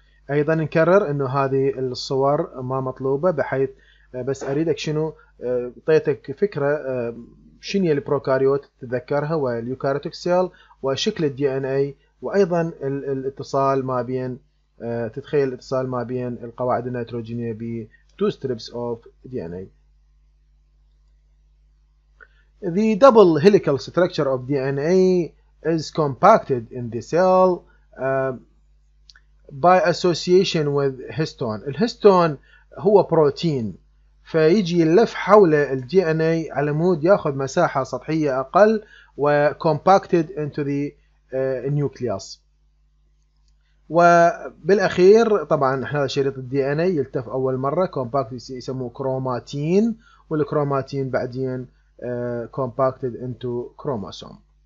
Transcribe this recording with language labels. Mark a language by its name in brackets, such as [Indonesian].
[Arabic] ايضا نكرر انه هذه الصور ما مطلوبه، بحيث بس اريدك شنو اعطيتك فكره شنو هي البروكاريوت تتذكرها واليوكاريوتيك سيل وشكل الدي ان اي، وايضا الاتصال ما بين تتخيل الاتصال ما بين القواعد النيتروجينيه ب [English] Two strips of D N A. The double helical structure of DNA is compacted in the cell by association with histone. [Arabic] الهيستون هو بروتين، فيجي يلف حول ال DNA على مود ياخذ مساحه سطحيه اقل و [English] compacted into the nucleus. [Arabic] وبالاخير طبعا احنا شريط الدي ان اي يلتف اول مره كومباكت يسموه كروماتين، والكروماتين بعدين [English] Compacted into chromosome.